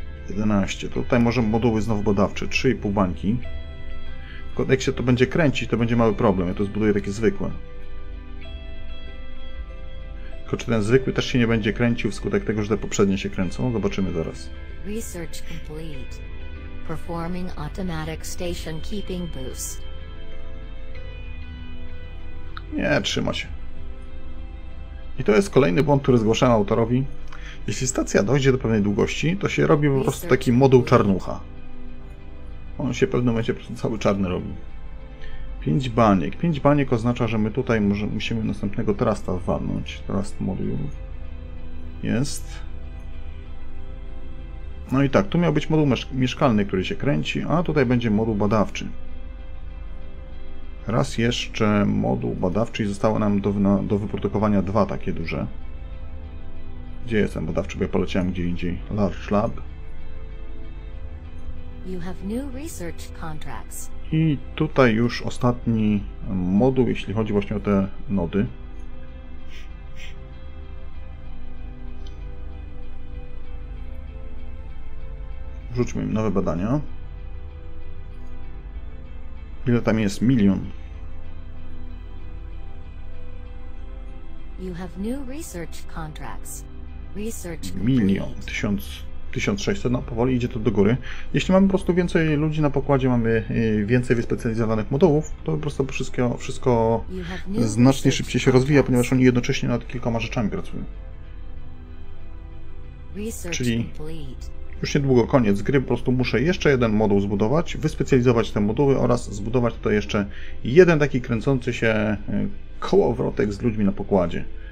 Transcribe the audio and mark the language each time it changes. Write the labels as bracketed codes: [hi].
[pl] 11. To tutaj może moduły znowu badawcze. 3,5 bańki. Tylko jak się to będzie kręcić, to będzie mały problem. Ja to zbuduję takie zwykłe. Tylko czy ten zwykły też się nie będzie kręcił wskutek tego, że te poprzednie się kręcą? Zobaczymy zaraz. [en] Research complete. Performing automatic station keeping boost. [pl] Nie, trzyma się. I to jest kolejny błąd, który zgłaszałem autorowi. Jeśli stacja dojdzie do pewnej długości, to się robi po prostu taki moduł czarnucha. On się w pewnym momencie po prostu cały czarny robi. 5 baniek. 5 baniek oznacza, że my tutaj musimy następnego trusta walnąć. Trust moduł. Jest. No i tak, tu miał być moduł mieszkalny, który się kręci, a tutaj będzie moduł badawczy. Raz jeszcze moduł badawczy i zostało nam do wyprodukowania dwa takie duże. Gdzie jest ten badawczy, bo ja poleciałem gdzie indziej. [en] Large Lab. You have new research contracts. [pl] I tutaj już ostatni moduł, jeśli chodzi właśnie o te nody. Wrzućmy im nowe badania. Ile tam jest? 1 000 000. [en] You have new research contracts. [pl] Research 1 600 000. No, powoli idzie to do góry. Jeśli mamy po prostu więcej ludzi na pokładzie, mamy więcej wyspecjalizowanych modułów, to po prostu wszystko znacznie szybciej się rozwija, ponieważ oni jednocześnie nad kilkoma rzeczami pracują. Czyli już niedługo koniec gry, po prostu muszę jeszcze jeden moduł zbudować, wyspecjalizować te moduły oraz zbudować tutaj jeszcze jeden taki kręcący się kołowrotek z ludźmi na pokładzie.